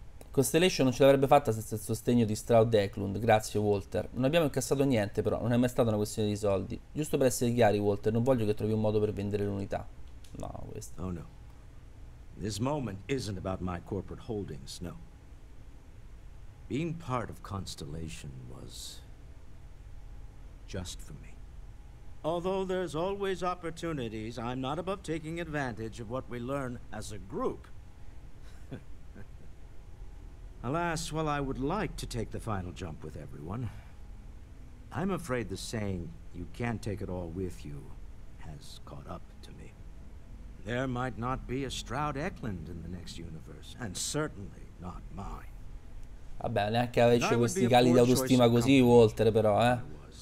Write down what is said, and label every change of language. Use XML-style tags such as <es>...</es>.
<it>Constellation non ce l'avrebbe fatta senza il sostegno di Stroud Eklund. Grazie Walter. Non abbiamo incassato niente, però non è mai stata una questione di soldi. Giusto per essere chiari, Walter, non voglio che trovi un modo per vendere l'unità. No, questo. Oh no.</it> <en>This moment isn't about my corporate holdings, no. Being part of Constellation was just for me. Although there's always opportunities, I'm not above taking advantage of what we learn as a group. Alas, while I would like to take the final jump with everyone, I'm afraid the saying, you can't take it all with you, has caught up to me. There might not be a Stroud Eklund in the next universe, and certainly not mine.</en> <it>Vabbè, neanche avesse questi cali di autostima così, Walter, però, eh.</it>